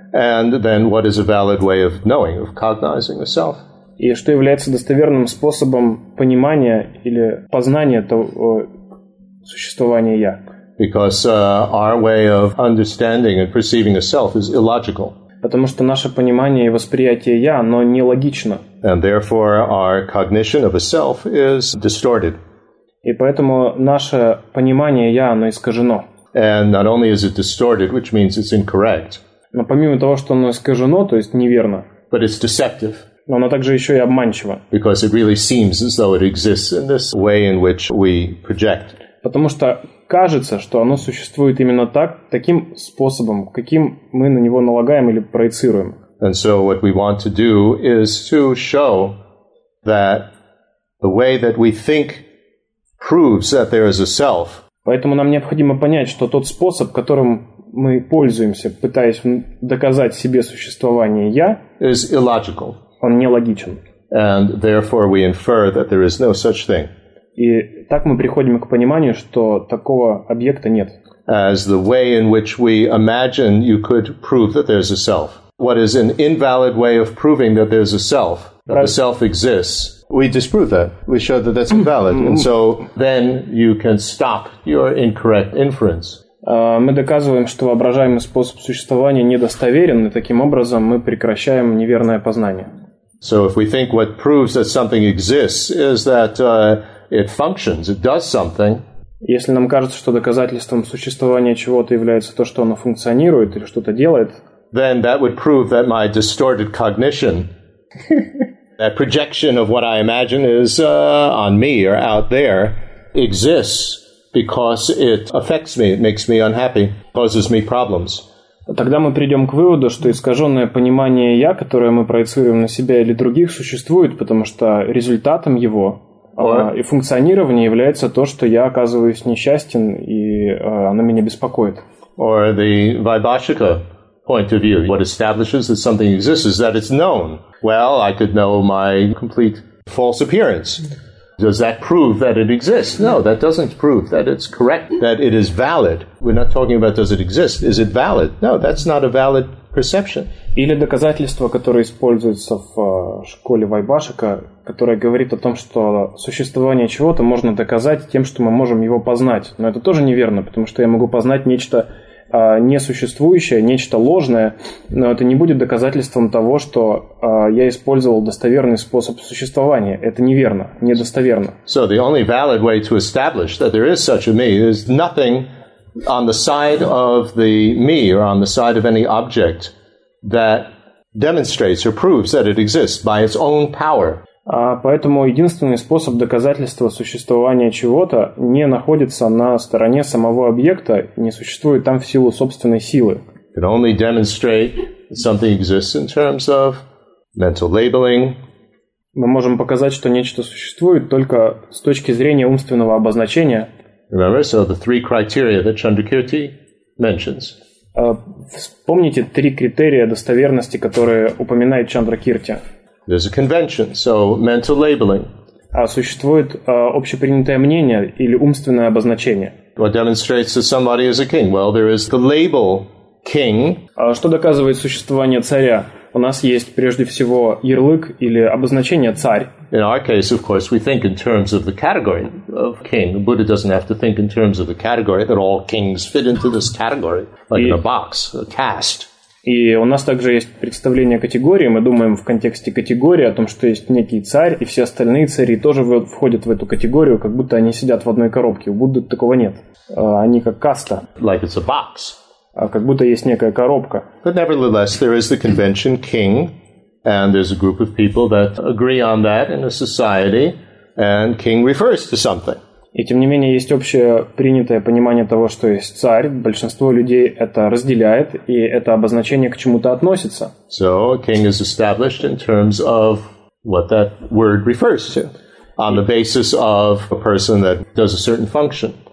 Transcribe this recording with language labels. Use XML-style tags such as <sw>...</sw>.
<en>And then what is a valid way of knowing, of cognizing a self.</en> <ru>И что является достоверным способом понимания или познания того, существования я.</ru> <en>Because our way of understanding and perceiving a self is illogical.</en> <ru>Потому что наше понимание и восприятие я, оно нелогично.</ru> <en>And therefore our cognition of a self is distorted.</en> <ru>И поэтому наше понимание я, оно искажено.</ru> <en>And not only is it distorted, which means it's incorrect.</en> <ru>Но помимо того, что оно искажено, то есть неверно.</ru> <en>But it's deceptive.</en> <ru>Но оно также еще и обманчиво.</ru> <en>Because it really seems as though it exists in this way in which we project.</en> <ru>Потому что кажется, что оно существует именно так, таким способом, каким мы на него налагаем или проецируем.</ru> <en>And so what we want to do is to show that the way that we think proves that there is a self.</en> <ru>Поэтому нам необходимо понять, что тот способ, которым мы пользуемся, пытаясь доказать себе существование я,</ru> <en>is illogical.</en> <ru>Он нелогичен.</ru> <en>And therefore we infer that there is no such thing.</en> <ru>И так мы приходим к пониманию, что такого объекта нет.</ru> <en>As the way in which we imagine you could prove that there's a self. What is an invalid way of proving that there's a self, that the self exists. we disprove that. We show that that's invalid. And so then you can stop your incorrect inference.</en> <ru>Мы доказываем, что воображаемый способ существования недостоверен, и таким образом мы прекращаем неверное познание.</ru> <en>So if we think what proves that something exists is that it functions, it does something.</en> <ru>Если нам кажется, что доказательством существования чего-то является то, что оно функционирует или что-то делает,</ru> <en>then that would prove that my distorted cognition, that projection of what I imagine is on me or out there, exists because it affects me, it makes me unhappy, causes me problems.</en> <ru>Тогда мы придем к выводу, что искаженное понимание «я», которое мы проецируем на себя или других, существует, потому что результатом его и функционирования является то, что я оказываюсь несчастен, и оно меня беспокоит.</ru> <en>Or the vibhashika point of view. What establishes that something exists is that it's known. Well, I could know my complete false appearance. Does that prove that it exists? No, that doesn't prove that it's correct, that it is valid. We're not talking about does it exist. Is it valid? No, that's not a valid perception.</en> <ru>Или доказательство, которое используется в школе Вайбашика, которое говорит о том, что существование чего-то можно доказать тем, что мы можем его познать. Но это тоже неверно, потому что я могу познать нечто несуществующее, нечто ложное, но это не будет доказательством того, что я использовал достоверный способ существования. Это неверно, недостоверно.</ru> <en>So the only valid way to establish that there is such a me is nothing on the side of the me or on the side of any object that demonstrates or proves that it exists by its own power.</en> <ru>Поэтому единственный способ доказательства существования чего-то не находится на стороне самого объекта, не существует там в силу собственной силы.</ru> <en>It can only demonstrate something exists in terms of mental labeling.</en> <ru>Мы можем показать, что нечто существует только с точки зрения умственного обозначения.</ru> <en>Remember, so the three criteria that Chandrakirti mentions.</en> <ru>Вспомните три критерия достоверности, которые упоминает Чандракирти.</ru> <en>There's a convention, so mental labeling.</en> <ru>Существует общепринятое мнение или умственное обозначение.</ru> <en>What demonstrates that somebody is a king? Well, there is the label king.</en> <ru>Что доказывает существование царя? У нас есть прежде всего ярлык или обозначение царь.</ru> <en>In our case, of course, we think in terms of the category of king. The Buddha doesn't have to think in terms of the category that all kings fit into this category, like in a box, a caste.</en> <ru>И у нас также есть представление о категории. Мы думаем в контексте категории о том, что есть некий царь, и все остальные цари тоже входят в эту категорию, как будто они сидят в одной коробке. У Будды такого нет. Они как каста.</ru> <en>Like it's a box.</en> <ru>Как будто есть некая коробка.</ru> <en>But nevertheless, there is the convention king, and there's a group of people that agree on that in a society, and king refers to something.</en> <ru>И тем не менее, есть общее принятое понимание того, что есть царь. Большинство людей это разделяет, и это обозначение к чему-то относится.</ru> <en>So, king is established in terms of what that word refers to, on the basis of a person that does a certain function.</en>